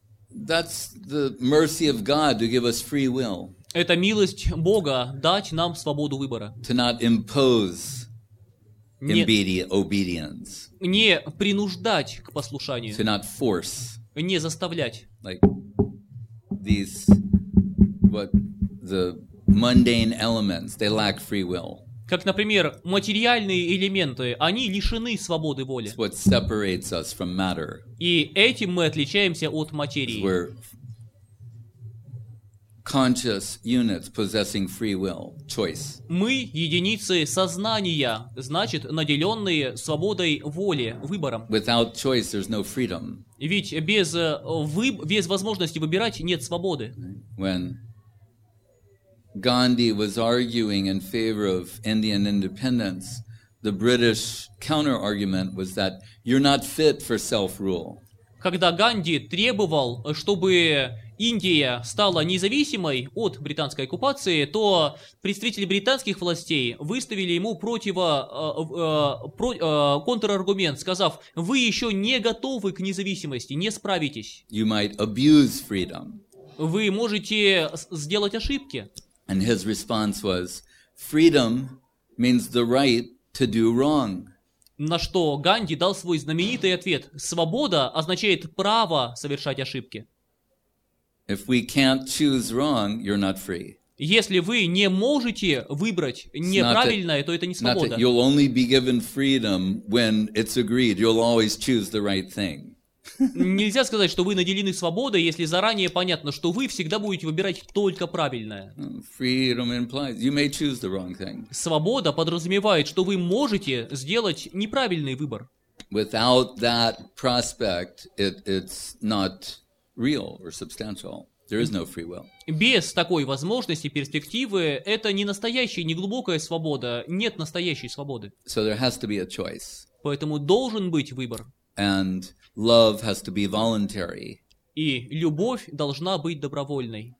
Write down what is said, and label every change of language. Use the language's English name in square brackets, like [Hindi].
[English] That's the mercy of God to give us free will. [Russian] Это милость Бога дать нам свободу выбора. [English] To not impose obedience. [Russian] Не принуждать к послушанию. [English] To not force. [Russian] Не заставлять. [English] Like these, what the mundane elements, they lack free will. [Russian] Как, например, материальные элементы, они лишены свободы воли. [English] It's what separates us from matter. [Russian] И этим мы отличаемся от материи. [English] Because we're conscious units possessing free will, choice. [Russian] Мы единицы сознания, значит, наделенные свободой воли, выбором. [English] Without choice, there's no freedom. [Russian] Ведь без без возможности выбирать нет свободы. [English] When Gandhi was arguing in favor of Indian independence, the British counter-argument was that you're not fit for self-rule. [Russian] Когда Ганди требовал, чтобы Индия стала независимой от британской оккупации, то представители британских властей выставили ему контраргумент, сказав: «Вы еще не готовы к независимости, не справитесь». [English] You might abuse freedom. [Russian] Вы можете сделать ошибки. [English] And his response was, freedom means the right to do wrong. [Russian] На что Ганди дал свой знаменитый ответ: свобода означает право совершать ошибки. [English] If we can't choose wrong, you're not free. [Russian] Если вы не можете выбрать неправильное, то это не свобода. [English] You'll only be given freedom when it's agreed. You'll always choose the right thing. [Russian] Нельзя сказать, что вы наделены свободой, если заранее понятно, что вы всегда будете выбирать только правильное. [English] Freedom implies you may choose the wrong thing. [Russian] Свобода подразумевает, что вы можете сделать неправильный выбор. [English] Without that prospect, it's not real or substantial. There is no free will. [Russian] Без такой возможности, перспективы, это не настоящая, не глубокая свобода. Нет настоящей свободы. [English] So there has to be a choice. [Russian] Поэтому должен быть выбор. [English] And love has to be voluntary. [Russian] И любовь должна быть добровольной.